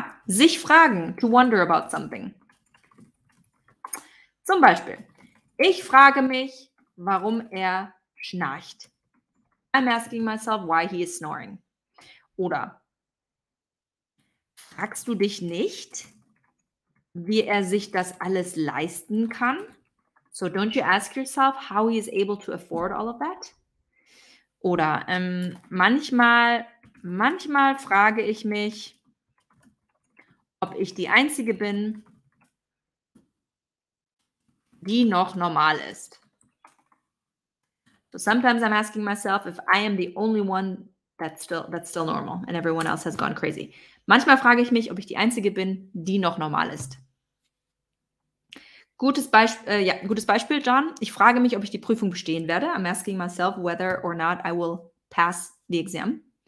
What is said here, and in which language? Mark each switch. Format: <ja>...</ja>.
<en>Sich fragen, to wonder about something.</en> <de>Zum Beispiel, ich frage mich, warum er schnarcht.</de> <en>I'm asking myself, why he is snoring. Oder</en> <de>Fragst du dich nicht, wie er sich das alles leisten kann?</de> <en>So don't you ask yourself how he is able to afford all of that?</en> <de>Oder manchmal frage ich mich, ob ich die Einzige bin, die noch normal ist.</de> <en>So sometimes I'm asking myself if I am the only one that's still normal and everyone else has gone crazy.</en> <de>Manchmal frage ich mich, ob ich die Einzige bin, die noch normal ist. Gutes Beispiel, John. Ich frage mich, ob ich die Prüfung bestehen werde.</de> <en>I'm asking myself whether or not I will pass the exam.</en>